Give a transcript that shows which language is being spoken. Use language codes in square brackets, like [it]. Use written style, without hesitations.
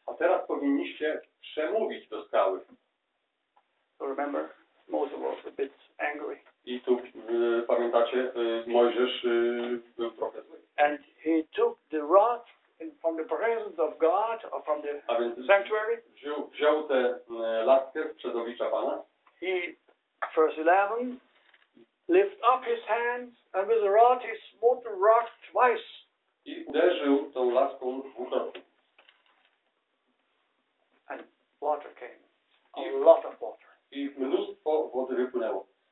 [pl] A teraz powinniście przemówić do skały. [en] So remember, Moses was a bit angry. [pl] I tu pamiętacie, Mojżesz był trochę zły. [en] And he took the rod from the presence of God or from the sanctuary. [pl] Wziął tę laskę z przedoblicza Pana. [en] Verse 11, lift up his hands and with the rod he smote the rock twice. [pl] I uderzył tą laską dwukrotnie. [en] And water came. A lot of water. [pl] I mnóstwo wody wypłynęło.